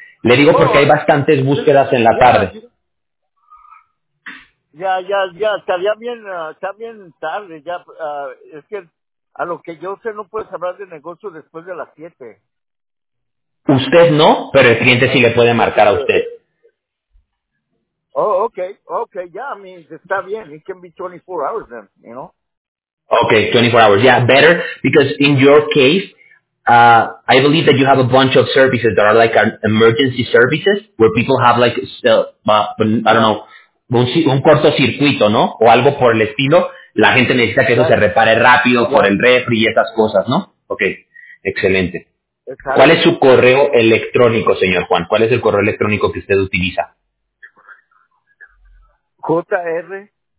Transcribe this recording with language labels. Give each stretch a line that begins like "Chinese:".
Spanish: Le digo porque hay bastantes búsquedas en la tarde. Ya, estaría bien tarde, ya, es que a lo que yo sé no puedes hablar de negocio después de las 7. Usted no, pero el cliente sí le puede marcar a usted.
English: Oh, okay, ya, yeah, I mean,
Spanish: está bien,
English: it can be 24 hours then, you know. Okay, 24 hours, yeah, better, because in your case, I believe that you have a bunch of services that are like emergency services, where people have like,
Spanish: un cortocircuito, ¿no? O algo por el estilo, la gente necesita que eso se repare rápido por el refri y esas cosas, ¿no? Okay, excelente. ¿Cuál es su correo electrónico, señor Juan? ¿Cuál es el correo electrónico que usted utiliza? JR.